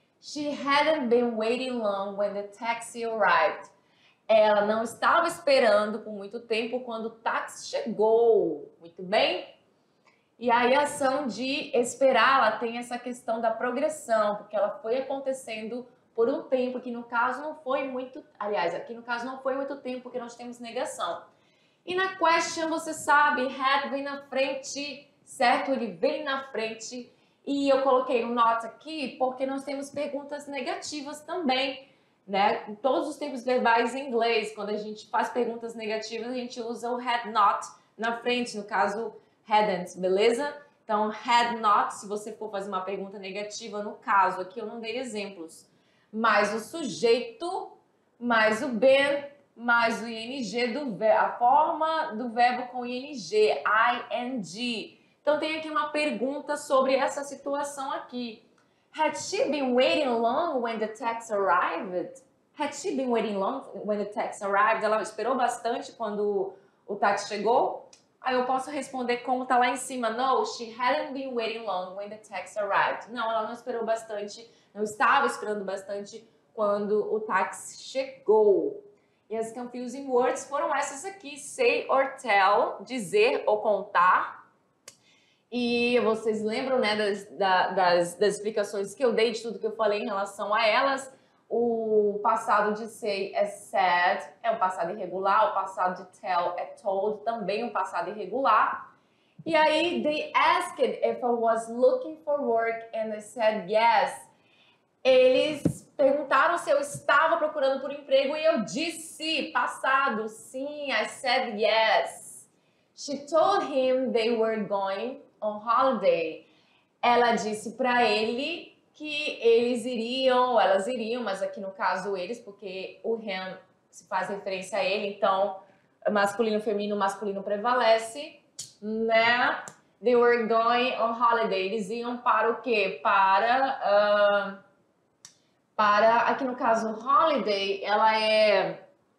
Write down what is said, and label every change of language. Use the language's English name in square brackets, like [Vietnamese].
[English] She hadn't been waiting long when the taxi arrived. [Portuguese] Ela não estava esperando por muito tempo quando o táxi chegou, muito bem? E aí a ação de esperar, ela tem essa questão da progressão, porque ela foi acontecendo por um tempo, que no caso não foi muito, aliás, aqui no caso não foi muito tempo, porque nós temos negação. E na question, você sabe, had vem na frente, certo? Ele vem na frente. E eu coloquei um not aqui, porque nós temos perguntas negativas também, né? Todos os tempos verbais em inglês, quando a gente faz perguntas negativas, a gente usa o had not na frente, no caso, hadn't, beleza? Então, had not, se você for fazer uma pergunta negativa, no caso, aqui eu não dei exemplos. Mais o sujeito, mais o been, mais o ing, do a forma do verbo com ing, ing. Então, tem aqui uma pergunta sobre essa situação aqui. [English] Had she been waiting long when the tax arrived? Had she been waiting long when the tax arrived? [Portuguese] Ela esperou bastante quando o tax chegou? Aí eu posso responder como está lá em cima. [English] No, she hadn't been waiting long when the tax arrived. [Portuguese] Não, ela não esperou bastante. Não estava esperando bastante quando o táxi chegou. E as [English] confusing words [Portuguese] foram essas aqui. [English] Say or tell, [Portuguese] dizer ou contar. E vocês lembram, né, das explicações que eu dei, de tudo que eu falei em relação a elas. O passado de say é said, é um passado irregular. O passado de tell é told, também um passado irregular. E aí, [English] they asked if I was looking for work and I said yes. [Portuguese] Eles perguntaram se eu estava procurando por emprego e eu disse, passado, sim, [English] I said yes. She told him they were going on holiday. [Portuguese] Ela disse para ele que eles iriam, ou elas iriam, mas aqui no caso eles, porque o him se faz referência a ele, então masculino, feminino, masculino prevalece, né? [English] They were going on holiday. [Portuguese] Eles iam para o quê? Para, aqui no caso, holiday, ela é